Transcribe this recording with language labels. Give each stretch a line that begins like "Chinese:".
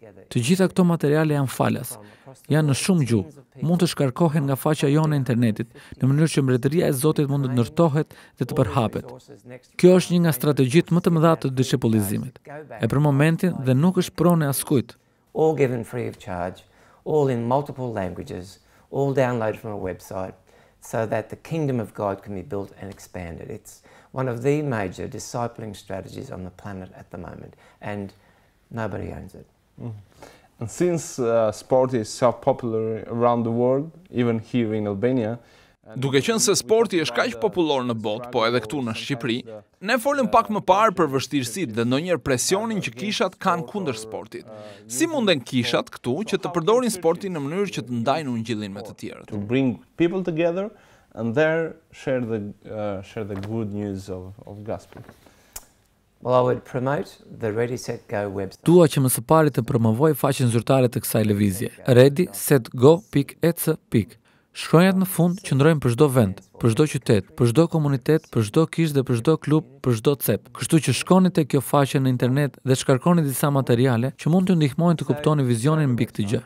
Albanian: Të gjitha këto materiale janë falas. Janë në shumë gjuhë. Mund të shkarkohen nga faqja jonë e internetit në mënyrë që mbretëria e Zotit mund të ndërtohet dhe të përhapet. Kjo është një nga strategjitë më të mëdha të dishepullizimit. E për momentin dhe nuk është pronë askujt.
English: All given free of charge, all in multiple languages, all downloaded from a website so that the kingdom of God can be built and expanded. It's one of the major discipling strategies on the planet at the moment and nobody owns it. And since sport is so popular around the world, even here in Albania,
Albanian: duke qenë se sporti është kaq popullor në botë, po edhe këtu në Shqipëri, ne folëm pak më parë për vështirësitë dhe ndonjëherë presionin që kishat kanë kundër sportit. Si munden kishat këtu që të përdorin sportin në mënyrë që të ndajnë ungjillin me të tjerët?
English: To bring people together and there share the good news of gospel. Well, I would promote the Ready Set Go website.
Albanian: Dua që më së pari të promovoj faqen zyrtare të kësaj lëvizje, ready set go.ec. Shkronjat në fund qëndrojnë për çdo vend, për çdo qytet, për çdo komunitet, për çdo kishë dhe për çdo klub, për çdo cep. Kështu që shkoni te kjo faqe në internet dhe shkarkoni disa materiale që mund t'ju ndihmojnë të kuptoni vizionin mbi këtë gjë.